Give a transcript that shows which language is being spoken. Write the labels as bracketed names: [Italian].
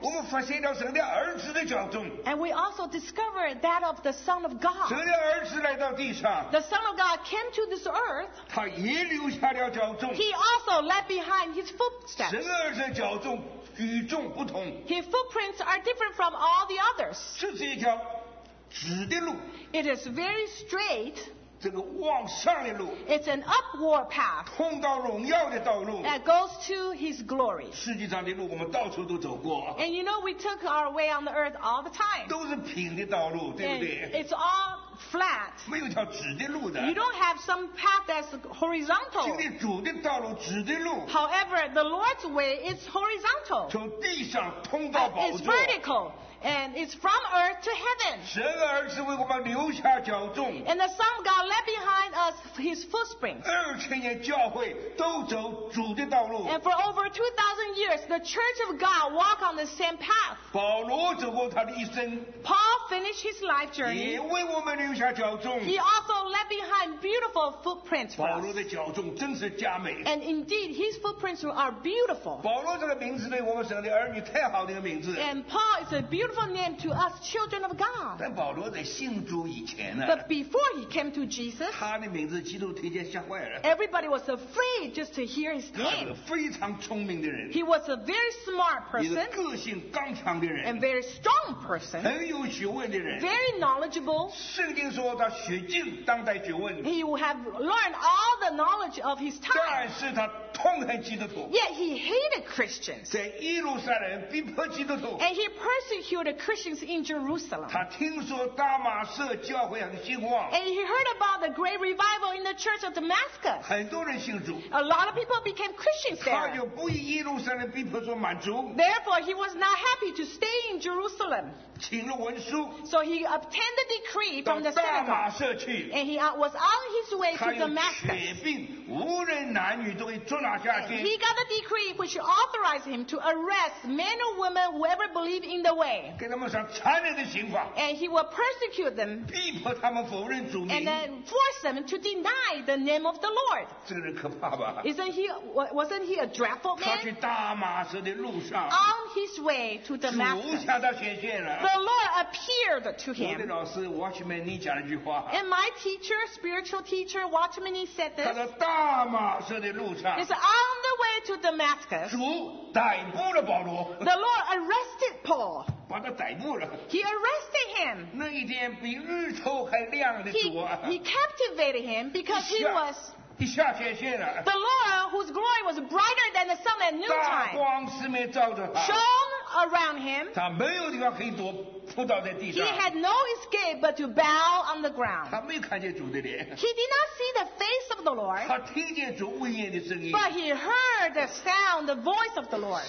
[Chinese] 我们发现了神的儿子的脚踪。 [English] And we also discovered that of the Son of God. [Chinese] 神的儿子来到地上。 [English] The Son of God came to this earth. [Chinese] 他也留下了脚踪。 [English] He also left behind his footsteps. [Chinese] 神儿子的脚踪与众不同。 [English] His footprints are different from all the others. [Chinese] 这是一条直的路。 [English] It is very straight. [Chinese] 这个往上的路 [English] It's an upward path [Chinese] 通到荣耀的道路 [English] That goes to his glory [Chinese] 世界上的路我们到处都走过 [English] And you know we took our way on the earth all the time [Chinese] 都是平的道路对不对 [English] It's all flat [Chinese] 没有条直的路的 [English] You don't have some path that's horizontal [Chinese] 今天主的道路直的路 [English] However the Lord's way is horizontal [Chinese] 从地上通到宝座 [English] It's vertical And it's from earth to heaven. [Chinese] 神儿子为我们留下脚踪。 [English] And the Son of God left behind us his footprints. [Chinese] 2000年教会都走主的道路。 [English] And for over 2,000 years, the Church of God walked on the same path. [Chinese] 保罗走过他的一生。 [English] Paul finished his life journey. [Chinese] 也为我们留下脚踪。 [English] He also left behind beautiful footprints for us. [Chinese] 保罗的脚踪真是佳美。 [English] And indeed, his footprints are beautiful. [Chinese] 保罗这个名字对我们神的儿女太好的一个名字。 [English] And Paul is a beautiful name to us children of God. [Chinese] 但保罗在信主以前呢 [English] But before he came to Jesus, [Chinese] 他的名字基督听见吓坏了 [English] Everybody was afraid just to hear his name. [Chinese] 他是个非常聪明的人 [English] He was a very smart person. [Chinese] 一个个性刚强的人 [English] And very strong person. [Chinese] 很有学问的人 [English] Very knowledgeable. [Chinese] 圣经说他学尽当代学问 [English] He would have learned all the knowledge of his time. [Chinese] 但是他痛恨基督徒 [English] Yet he hated Christians. [Chinese] 在耶路撒冷逼迫基督徒 [English] And he persecuted the Christians in Jerusalem. [Chinese] 他听说大马色教会很兴旺。 [English] And he heard about the great revival in the church of Damascus. [Chinese] 很多人信主。 [English] A lot of people became Christians there. [Chinese] 他就不以耶路撒冷逼迫所满足。 [English] Therefore, he was not happy to stay in Jerusalem. [Chinese] 请了文书。 [English] So he obtained the decree from the synagogue. [Chinese] 到大马色去。 [English] And he was on his way to Damascus. [Chinese] 他有瘸病，无论男女都可以捉拿下去。 [English] He got a decree which authorized him to arrest men or women whoever believed in the way. And he will persecute them and then force them to deny the name of the Lord. Wasn't he a dreadful man? On his way to Damascus, the Lord appeared to him. And my teacher, spiritual teacher, Watchman, he said this. He said, on the way to Damascus, the Lord arrested Paul. [Chinese] 把他逮捕了。 [English] He arrested him. [Chinese] 那一天比日头还亮的多。 [English] He captivated him because he was. [Chinese] 一下显现了。 [English] The Lord whose glory was brighter than the sun at noontime. [Chinese] 大光四面照着他。 [English] Shone around him. He had no escape but to bow on the ground. He did not see the face of the Lord. But he heard the sound, the voice of the Lord.